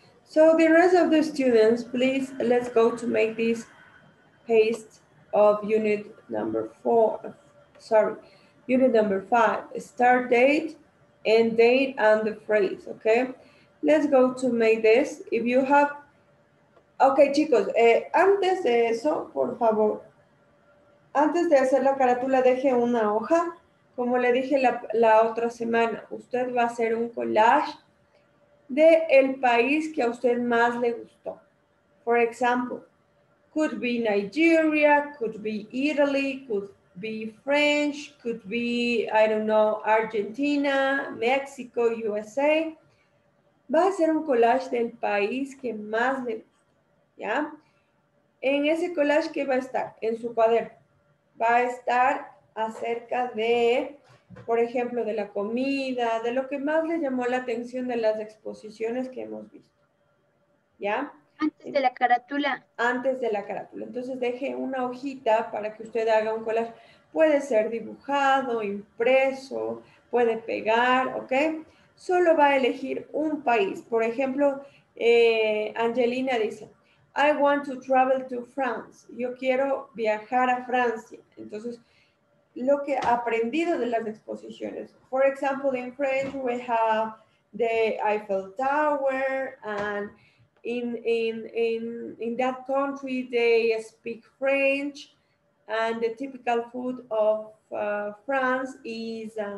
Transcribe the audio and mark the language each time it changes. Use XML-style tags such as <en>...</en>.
<en>So the rest of the students, please, let's go to make this paste of unit number four, sorry, unit number five, start date, end date, and the phrase, okay? Let's go to make this. If you have,</en> <es>okay, chicos, antes de eso, por favor, antes de hacer la carátula, deje una hoja, como le dije la otra semana, usted va a hacer un collage de el país que a usted más le gustó.</es> <en>For example, could be Nigeria, could be Italy, could be French, could be, I don't know, Argentina, Mexico, USA.</en> <es>Va a ser un collage del país que más le gustó, ¿ya? En ese collage, ¿qué va a estar? En su cuaderno. Va a estar acerca de, por ejemplo, de la comida, de lo que más le llamó la atención de las exposiciones que hemos visto. ¿Ya? Antes de la carátula. Antes de la carátula. Entonces, deje una hojita para que usted haga un collage. Puede ser dibujado, impreso, puede pegar, ¿ok? Solo va a elegir un país. Por ejemplo, Angelina dice,</es> <en>I want to travel to France.</en> <es>Yo quiero viajar a Francia. Entonces, lo que he aprendido de las exposiciones.</es> <en>For example, in French we have the Eiffel Tower, and in that country they speak French, and the typical food of France is</en>